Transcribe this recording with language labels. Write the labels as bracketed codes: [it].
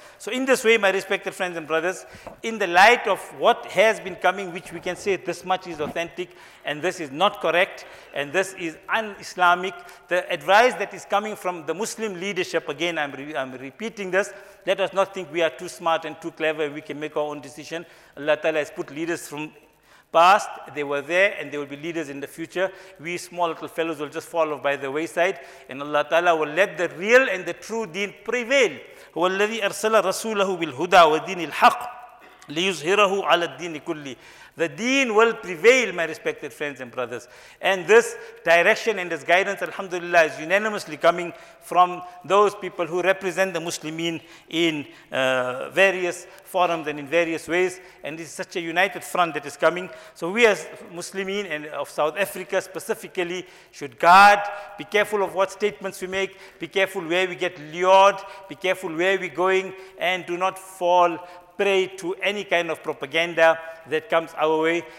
[en] So in this way, my respected friends and brothers, in the light of what has been coming, which we can say this much is authentic and this is not correct and this is un-Islamic, the advice that is coming from the Muslim leadership, again, I'm repeating this, let us not think we are too smart and too clever and we can make our own decision. Allah Ta'ala has put leaders from past, they were there, and they will be leaders in the future. We small little fellows will just fall off by the wayside, and Allah Ta'ala will let the real and the true deen prevail. [ar] هو الذي أرسل رسوله بالهدى ودين الحق ليظهره على الدين كله. [en] The deen will prevail, my respected friends and brothers. And this direction and this guidance, alhamdulillah, is unanimously coming from those people who represent the Muslimin in various forums and in various ways. And this is such a united front that is coming. So we as Muslimin and of South Africa specifically should guard, be careful of what statements we make, be careful where we get lured, be careful where we're going, and do not fall prey to any kind of propaganda that comes our way.